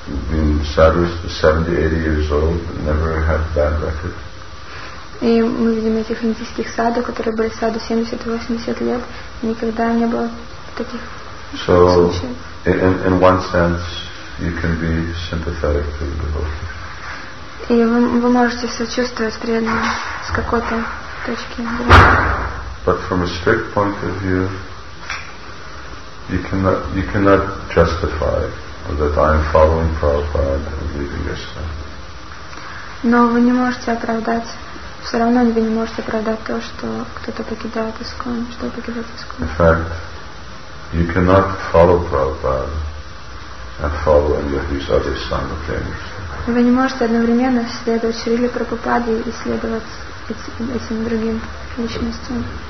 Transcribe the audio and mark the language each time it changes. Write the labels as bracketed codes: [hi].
[en] Been sadly 70-80 years old, never had bad record. [ru] И мы видим этих индийских садов, которые были саду 70-80 лет, никогда не было таких случаев. [en] So, in one sense, you can be sympathetic to the devotee. [ru] И вы можете сочувствовать преданным с какой-то точки. [en] But from a strict point of view, you cannot justify that I am following Prabhupada and leaving Krishna. [ru] Но вы не можете оправдать. Все равно вы не можете оправдать то, что кто-то покидает ИСКОН, что покидает ИСКОН. [en] In fact, you cannot follow Prabhupada and follow any of these other simultaneously. [ru] Вы не можете одновременно следовать Шриле Прабхупаде и следовать этим другим личностям.